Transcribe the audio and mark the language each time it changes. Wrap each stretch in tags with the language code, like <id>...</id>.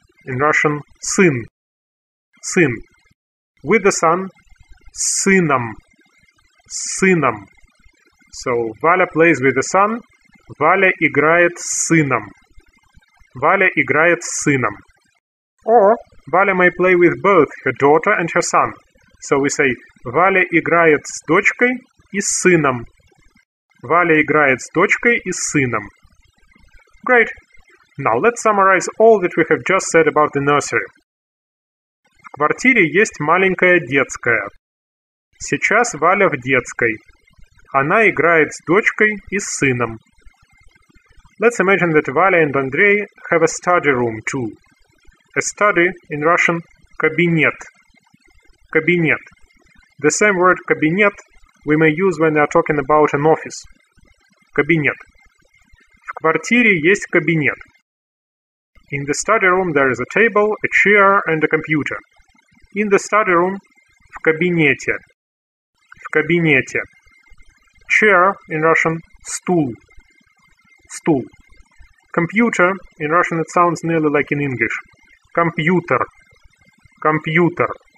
<en>In Russian, сын. Сын. With the son, сыном. Сыном. So, Валя plays with the son.</en> <ru>Валя играет с сыном. Валя играет с сыном.</ru> <en>Or, Валя may play with both her daughter and her son. So we say,</en> <ru>Валя играет с дочкой и с сыном. Валя играет с дочкой и с сыном.</ru> <en>Great. Now, let's summarize all that we have just said about the nursery.</en> <ru>В квартире есть маленькая детская. Сейчас Валя в детской. Она играет с дочкой и с сыном.</ru> <en>Let's imagine that Valya and Andrey have a study room, too. A study, in Russian, кабинет. Кабинет. The same word кабинет we may use when we are talking about an office.</en> <ru>Кабинет. В квартире есть кабинет.</ru> <en>In the study room there is a table, a chair and a computer. In the study room,</en> <ru>в кабинете. В кабинете.</ru> <en>Chair, in Russian, стул. Стул. Computer, in Russian it sounds nearly like in English. Компьютер. Компьютер.</en>